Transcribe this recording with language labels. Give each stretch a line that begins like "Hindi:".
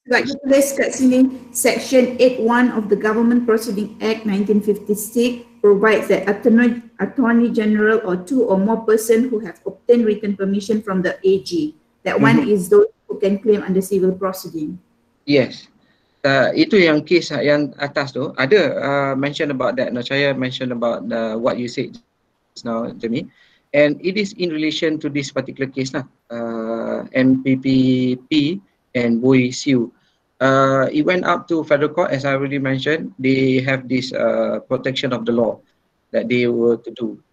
Malay: Sebab
English: you place
Malay: kat sini,
English: Section 8.1 of the Government Proceeding Act 1956 provides that Attorney General or two or more person who have obtained written permission from the AG. That one is those who can claim under civil proceeding. Yes.
Malay: Itu yang case yang atas tu. Ada
English: mention about that. Nurcahaya mentioned about what you said just now, Jimmy. And it is in relation to this particular case lah. MPPP and Boy Siu. It went up to federal court, as I already mentioned. They have this protection of the law that they were to do.